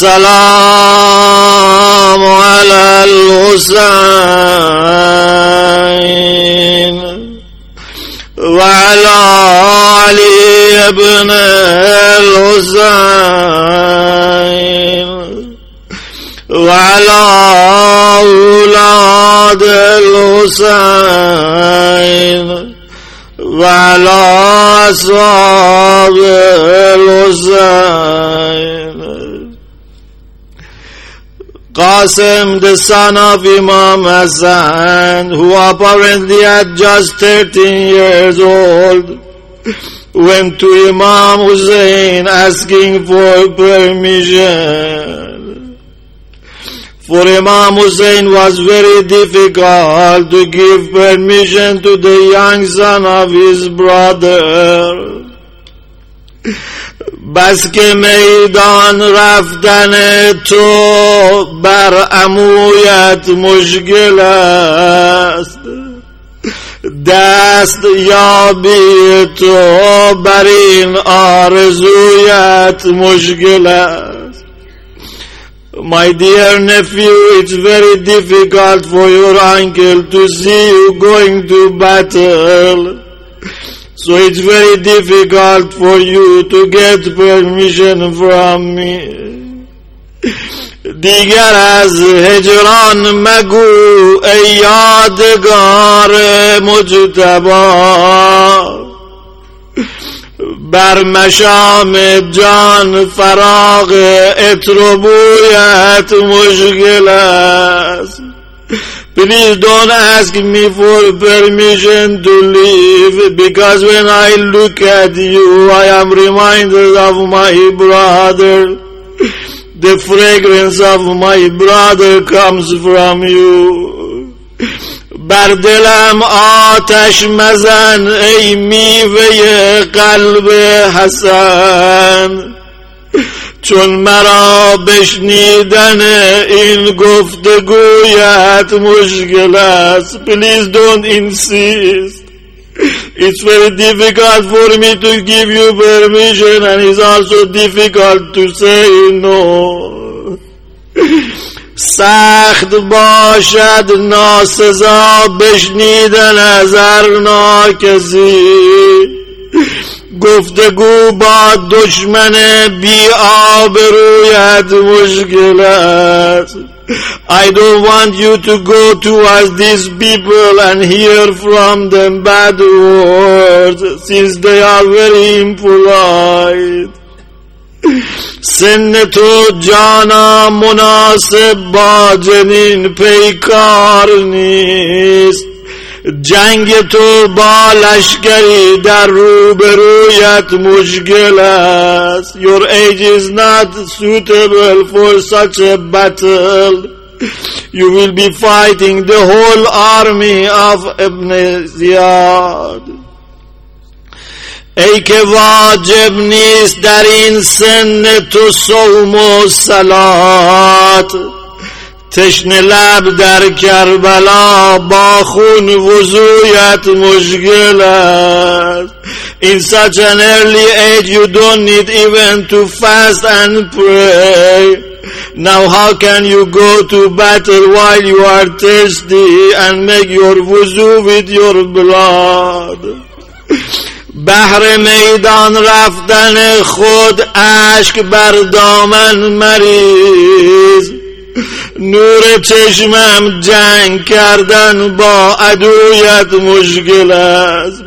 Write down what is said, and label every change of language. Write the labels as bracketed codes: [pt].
[ar] السلام على الحسين وعلى علي بن الحسين وعلى أولاد الحسين وعلى أصحاب الحسين. [en] Qasim, the son of Imam Hassan, who apparently had just 13 years old, went to Imam Hussein asking for permission. For Imam Hussein was very difficult to give permission to the young son of his brother. [fa] بس که میدان رفتن تو بر عمویت مشکل است، دست یابی تو بر این آرزویت مشکل است. [en] My dear nephew, it's very difficult for your uncle to see you going to battle. So it's very difficult for you to get permission from me. [fa] دیگر از هجران مگو ای یادگار مجتبی، بر مشام جان فراغ عطر و بویت مشکل است. [en] Please don't ask me for permission to leave, because when I look at you, I am reminded of my brother. The fragrance of my brother comes from you. [fa] بر دلم آتش مزن ای میوه قلب حسن، چون مرا بشنیدن این گفتگویت مشکل است. [en] Please don't insist. It's very difficult for me to give you permission, and it's also difficult to say no. [fa] سخت باشد ناسزا بشنیدن از هر ناکسی، گفتگو با دشمن بی آبرویت مشکل است. [en] I don't want you to go towards these people and hear from them bad words, since they are very impolite. [fa] سن تو جانا مناسب با جنین پیکار نیست، جنگ تو با لشکری در روبرویت مشکل است. [en] Your age is not suitable for such a battle. You will be fighting the whole army of Ibn Ziyad. [fa] ای که واجب نیست در این سن تو صوم و صلات، تشنه لب در کربلا با خون وضویت مشکل است. [en] In such an early age you don't need even to fast and pray. Now how can you go to battle while you are thirsty and make your wuzu with your blood? [fa] بهر میدان رفتن خود عشق بر دامن مریض، نور چشمم جنگ کردن با عدویت مشکل است.